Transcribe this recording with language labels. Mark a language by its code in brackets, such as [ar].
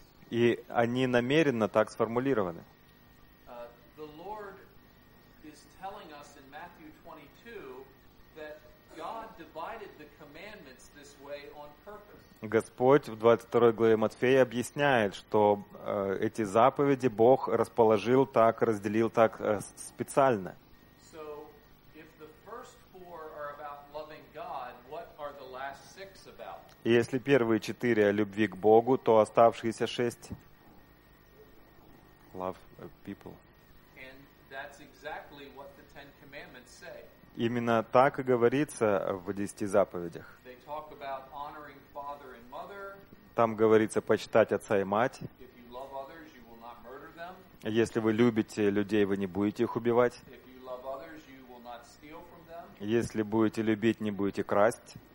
[ru] И они намеренно так сформулированы. [en] The Lord is telling us in Matthew 22 that God divided the commandments this way on purpose. [ru] Господь в 22 главе Матфея объясняет, что эти заповеди Бог расположил так, разделил так специально. [en] So if the first four are about loving God, what are the last six about? [ru] Если первые четыре о любви к Богу, то оставшиеся шесть – [en] love people. And that's exactly what the Ten Commandments say. [ru] Именно так и говорится в десяти заповедях. [en] They talk about honoring father and mother. [ru] Там говорится почитать отца и мать. [en] If you love others, you will not murder them. [ru] Если вы любите людей, вы не будете их убивать. [en] If you love others, you will not steal from them. [ru] Если будете любить, не будете красть.